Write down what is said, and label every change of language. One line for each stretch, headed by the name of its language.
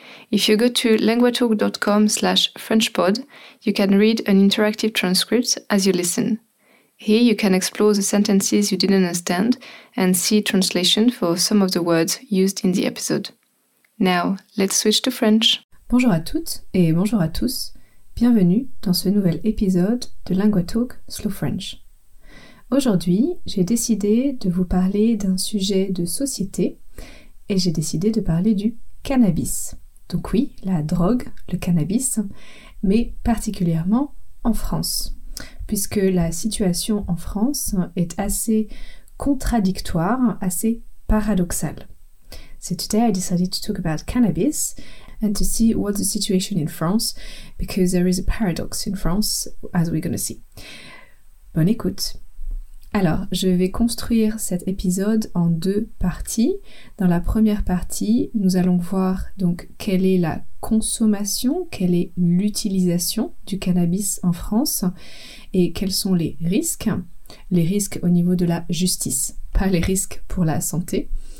English: If you go to languagetalk.com/frenchpod, you can read an interactive transcript as you listen. Here you can explore the sentences you didn't understand and see translation for some of the words used in the episode. Now, let's switch to French.
French: Bonjour à toutes et bonjour à tous. Bienvenue dans ce nouvel épisode de Langue Talk Slow French. Aujourd'hui, j'ai décidé de vous parler d'un sujet de société et j'ai décidé de parler du cannabis. Donc oui, la drogue, le cannabis, mais particulièrement en France, puisque la situation en France est assez contradictoire, assez paradoxale.
English: So today I decided to talk about cannabis and to see what's the situation in France, because there is a paradox in France, as we're going to see.
French: Bonne écoute! Alors, je vais construire cet épisode en deux parties. Dans la première partie, nous allons voir donc quelle est la consommation, quelle est l'utilisation du cannabis en France, et quels sont les risques au niveau de la justice, pas les risques pour la santé.